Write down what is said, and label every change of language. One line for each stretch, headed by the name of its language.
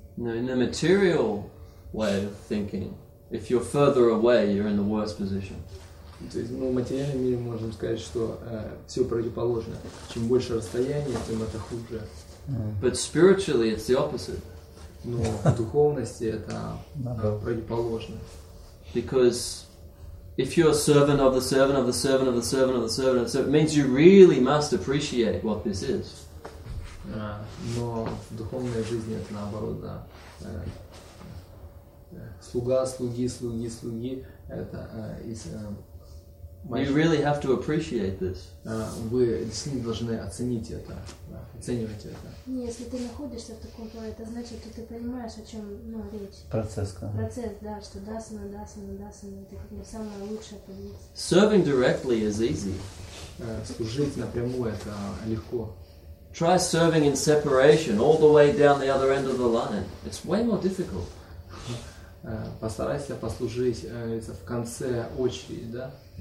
English: Now, in the material way of thinking, if you're further away, you're in the worst position.
Russian: То есть, ну, в материальном мире можем сказать, что все противоположно. Чем больше расстояние, тем это хуже.
English: But spiritually, it's the opposite.
Russian: Но в духовности это противоположно.
English: Because If you're a servant of the servant of the servant of the servant of the servant, so it means you really must appreciate what this is.
Russian: Но духовная жизнь это наоборот, да. Слуга, слуги, слуги, слуги. Это из.
English: You really have to appreciate this.
Russian: Вы действительно должны оценить это, оценивать это. Не, если ты находишься в таком плане, это значит, что ты понимаешь, о чем, ну, речь. Процесс, да. Процесс, да, что дасана, дасана, дасана, это как бы самая лучшая позиция.
English: Serving directly is easy.
Russian: Служить напрямую это легко.
English: Try serving in separation all the way down the other end of the line. It's way more difficult.
Russian: Постарайся послужить в конце очереди, да?